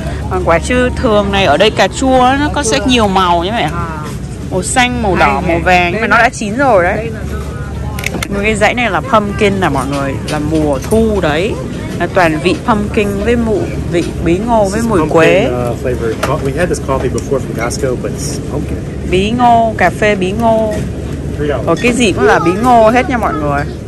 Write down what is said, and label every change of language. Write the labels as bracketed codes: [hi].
[vi] Còn quả chua thường này, ở đây cà chua nó có sẽ nhiều màu nhé mẹ. Màu xanh, màu đỏ, màu vàng. Nhưng mà nó đã chín rồi đấy. Người cái dãy này là pumpkin nè mọi người. Là mùa thu đấy. Là toàn vị pumpkin với mụ vị bí ngô với mùi quế. [en] We had this coffee before from Costco, but it's pumpkin. [vi] Bí ngô, cà phê bí ngô. Ở cái gì cũng là bí ngô hết nha mọi người.